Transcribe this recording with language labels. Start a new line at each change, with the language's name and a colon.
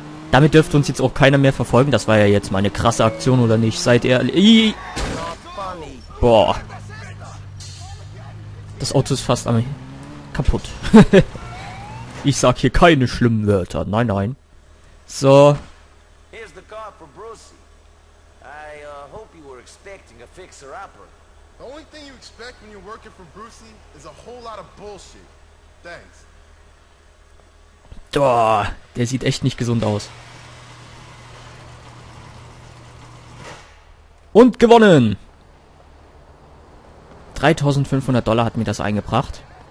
German: Damit dürfte uns jetzt auch keiner mehr verfolgen. Das war ja jetzt mal eine krasse Aktion, oder nicht? Seid ihr... Boah. Das Auto ist fast am... kaputt. Ich sag hier keine schlimmen Wörter. Nein, nein. So.
English: Here's the car for Brucey. I hope you were expecting a fixer-upper. The only thing you expect when you're working for Brucey is a whole lot of bullshit. Thanks.
German: Boah, der sieht echt nicht gesund aus. Und gewonnen! $3,500 hat mir das eingebracht.